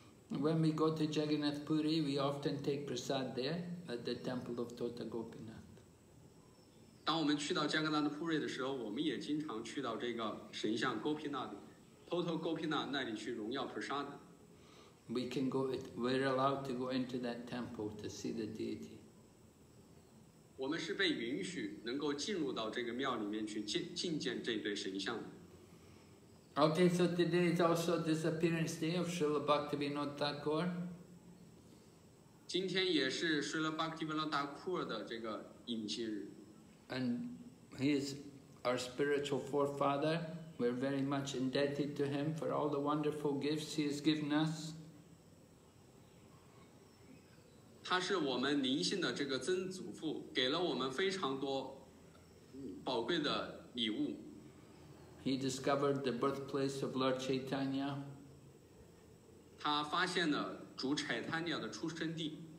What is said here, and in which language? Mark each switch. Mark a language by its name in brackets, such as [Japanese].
[English] When we go to Jagannath Puri, we often take prasad there at the temple of Tota Gopina. [Chinese] 当我们去到加格纳的普瑞的时候，我们也经常去到这个神像 Gopinath 那里去荣耀 Prasad。 [English] We can go. We're allowed to go into that temple to see the deity. [Chinese] 我们是被允许能够进入到这个庙里面去觐见这对神像。 [English] Okay, so today is also disappearance day of Srila Bhaktivinoda Thakur. [Chinese] 今天也是 Srila Bhaktivinoda Thakur 的这个隐居日。 [English] And he is our spiritual forefather. We're very much indebted to him for all the wonderful gifts he has given us. [Chinese] 他是我们灵性的这个曾祖父，给了我们非常多宝贵的礼物。 [English] He discovered the birthplace of Lord Chaitanya. [Chinese] 他发现了主柴坦尼亚的出生地。